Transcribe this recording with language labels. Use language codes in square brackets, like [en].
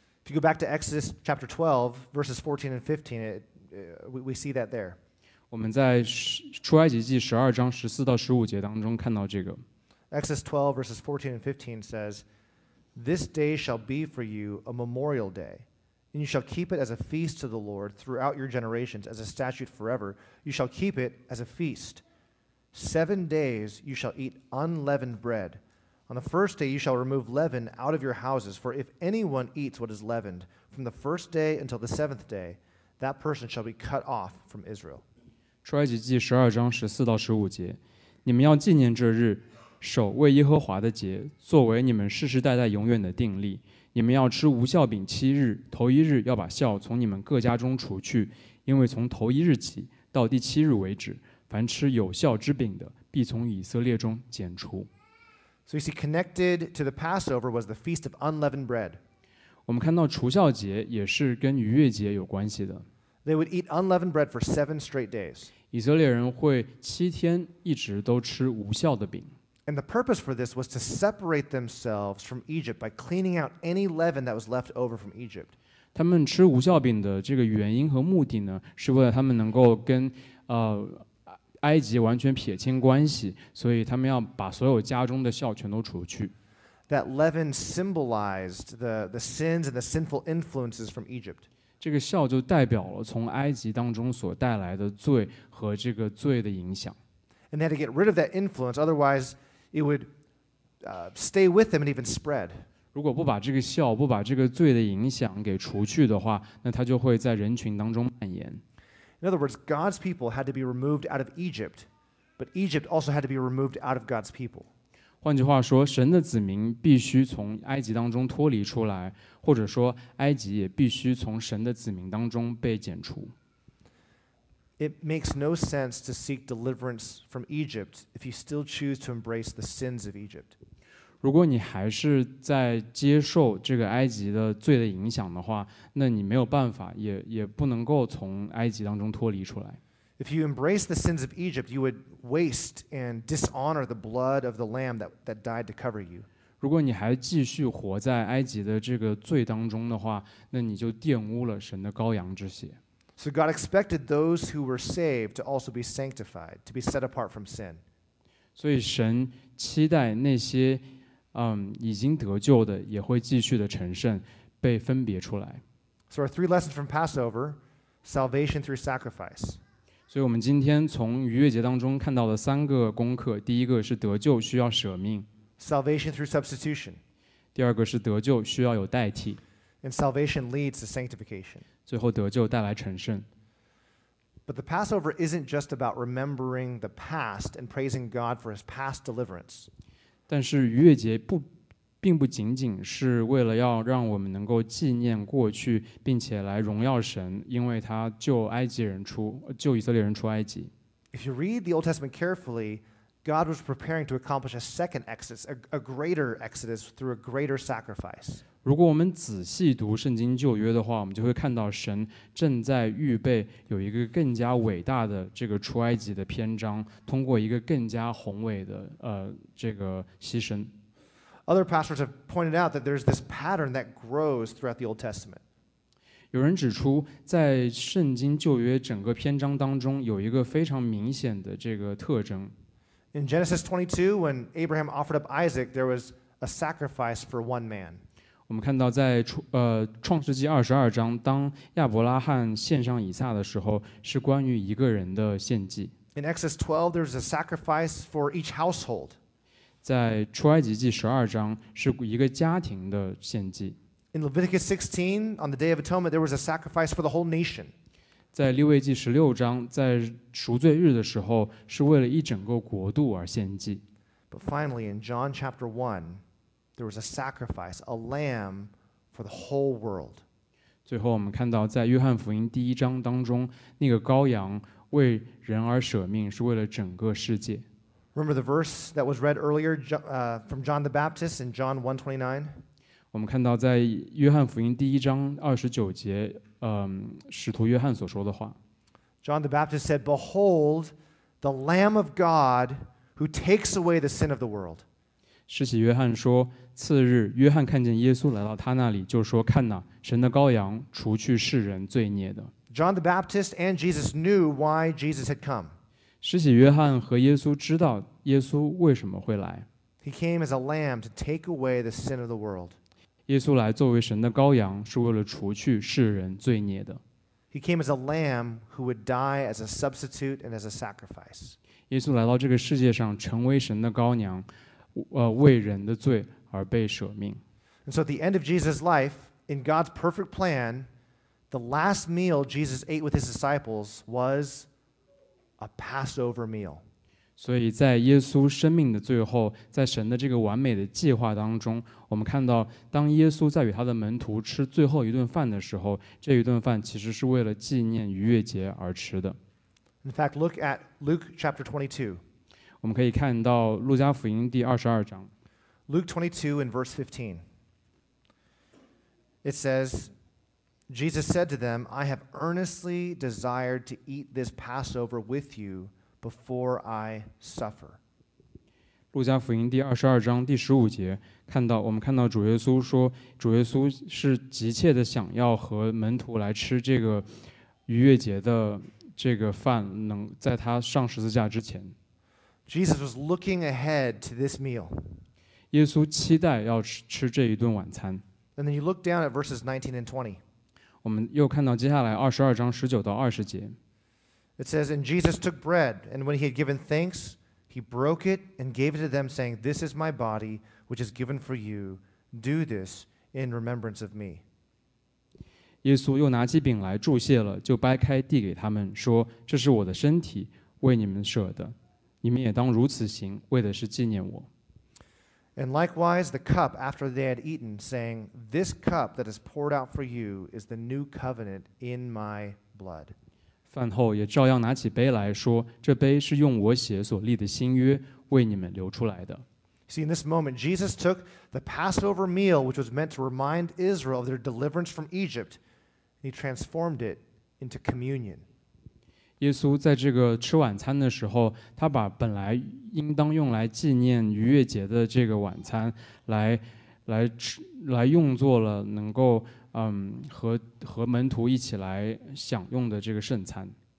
[en] If you go back to Exodus chapter 12, verses 14 and 15, we see that there. [zh] 我们在出埃及记十二章十四到十五节当中看到这个。 [en] Exodus 12, verses 14 and 15 says, "This day shall be for you a memorial day." And you shall keep it as a feast to the Lord throughout your generations, as a statute forever. You shall keep it as a feast. 7 days you shall eat unleavened bread. On the first day you shall remove leaven out of your houses, for if anyone eats what is leavened from the first day until the seventh day, that person shall be cut off from Israel. [zh] 出埃及记十二章十四到十五节，你们要纪念这日，守为耶和华的节，作为你们世世代代永远的定例。你们要吃无酵饼七日，头一日要把酵从你们各家中除去，因为从头一日起到第七日为止，凡吃有酵之饼的，必从以色列中剪除。 [en] So you see, connected to the Passover was the Feast of Unleavened Bread. [zh] 我们看到除酵节也是跟逾越节有关系的。 [en] They would eat unleavened bread for 7 straight days. [zh] 以色列人会七天一直都吃无酵的饼。 [en] And the purpose for this was to separate themselves from Egypt by cleaning out any leaven that was left over from Egypt. [zh] 他们吃无酵饼的这个原因和目的呢，是为了他们能够跟埃及完全撇清关系，所以他们要把所有家中的酵全都除去。 [en] That leaven symbolized the sins and the sinful influences from Egypt. [zh] 这个酵就代表了从埃及当中所带来的罪和这个罪的影响。 [en] And they had to get rid of that influence, otherwise it would stay with them and even spread. [zh] 如果不把这个酵，不把这个罪的影响给除去的话，那它就会在人群当中蔓延。 [en] In other words, God's people had to be removed out of Egypt, but Egypt also had to be removed out of God's people. [zh] 换句话说，神的子民必须从埃及当中脱离出来，或者说埃及也必须从神的子民当中被剪除。 [en] It makes no sense to seek deliverance from Egypt if you still choose to embrace the sins of Egypt. [zh] 如果你还是在接受这个埃及的罪的影响的话，那你没有办法，也不能够从埃及当中脱离出来。 [en] If you embrace the sins of Egypt, you would waste and dishonor the blood of the lamb that died to cover you. [zh] 如果你还继续活在埃及的这个罪当中的话，那你就玷污了神的羔羊之血。 [en] So God expected those who were saved to also be sanctified, to be set apart from sin. [zh] 所以神期待那些已经得救的也会继续的成圣，被分别出来。 [en] So our three lessons from Passover, salvation through sacrifice. [zh] 所以我们今天从逾越节当中看到的三个功课，第一个是得救需要舍命。 [en] Salvation through substitution. [zh] 第二个是得救需要有代替。 [en] And salvation leads to sanctification. [zh] 最后得救带来成圣。 [en] But the Passover isn't just about remembering the past and praising God for his past deliverance. [zh] 但是逾越节不并不仅仅是为了要让我们能够纪念过去，并且来荣耀神，因为他救埃及人出，救以色列人出埃及。 [en] If you read the Old Testament carefully, God was preparing to accomplish a second exodus, a greater exodus through a greater sacrifice. [zh] 如果我们仔细读圣经旧约的话，我们就会看到神正在预备有一个更加伟大的这个出埃及的篇章，通过一个更加宏伟的这个牺牲。 [en] Other pastors have pointed out that there's this pattern that grows throughout the Old Testament. [zh] 有人指出，在圣经旧约整个篇章当中，有一个非常明显的这个特征。 [en] In Genesis 22, when Abraham offered up Isaac, there was a sacrifice for one man. [zh] 我们看到在创世纪22章，当亚伯拉罕献上以撒的时候，是关于一个人的献祭。 [en] In Exodus 12, there's a sacrifice for each household. [zh] 在出埃及记十二章是一个家庭的献祭。 [en] In Leviticus 16, on the Day of Atonement, there was a sacrifice for the whole nation. [zh] 在利未记十六章，在赎罪日的时候，是为了一整个国度而献祭。 [en] But finally, in John chapter 1, there was a sacrifice, a lamb for the whole world. [zh] 最后我们看到在约翰福音第一章当中，那个羔羊为人而舍命，是为了整个世界。 [en] Remember the verse that was read earlier from John the Baptist in John 1:29? [zh] 我们看到在约翰福音第一章二十九节，使徒约翰所说的话。 [en] John the Baptist said, "Behold, the Lamb of God who takes away the sin of the world." [zh] 施洗约翰说，次日约翰看见耶稣来到他那里，就说，看哪，神的羔羊，除去世人罪孽的。 [en] John the Baptist and Jesus knew why Jesus had come. [zh] 施洗约翰和耶稣知道耶稣为什么会来。 [en] He came as a lamb to take away the sin of the world. [zh] 耶稣来作为神的羔羊，是为了除去世人罪孽的。 [en] He came as a lamb who would die as a substitute and as a sacrifice. [zh] 耶稣来到这个世界上，成为神的羔羊，为人的罪而被舍命。 [en] And so at the end of Jesus' life, in God's perfect plan, the last meal Jesus ate with his disciples was. A Passover meal. [zh] 所以在耶稣生命的最后，在神的这个完美的计划当中，我们看到，当耶稣在与他的门徒吃最后一顿饭的时候，这一顿饭其实是为了纪念逾越节而吃的。 [en] In fact, look at Luke chapter 22. [zh] 我们可以看到《路加福音》第二十二章。 [en] Luke 22 in verse 15. It says. Jesus said to them, I have earnestly desired to eat this Passover with you before I suffer. [zh] 路加福音第二十二章第十五节，看到我们看到主耶稣说，主耶稣是急切的想要和门徒来吃这个逾越节的这个饭，能在他上十字架之前。 [en] Jesus was looking ahead to this meal. [zh] 耶稣期待要吃这一顿晚餐。 [en] And then you look down at verses 19 and 20. [zh] 我们又看到接下来二十二章十九到二十节。 [en] It says, And Jesus took bread, and when he had given thanks, he broke it and gave it to them, saying, This is my body, which is given for you. Do this in remembrance of me. [zh] 耶稣又拿起饼来祝谢了，就掰开递给他们，说，这是我的身体，为你们舍的。你们也当如此行，为的是纪念我。 [en] And likewise, the cup after they had eaten, saying, This cup that is poured out for you is the new covenant in my blood. [zh] 饭后也照样拿起杯来说，这杯是用我血所立的新约，为你们流出来的。 [en] See, in this moment, Jesus took the Passover meal, which was meant to remind Israel of their deliverance from Egypt, and he transformed it into communion. [zh] 耶稣在这个吃晚餐的时候，他把本来应当用来纪念逾越节的这个晚餐 来用作了能够、和门徒一起来享用的这个圣餐。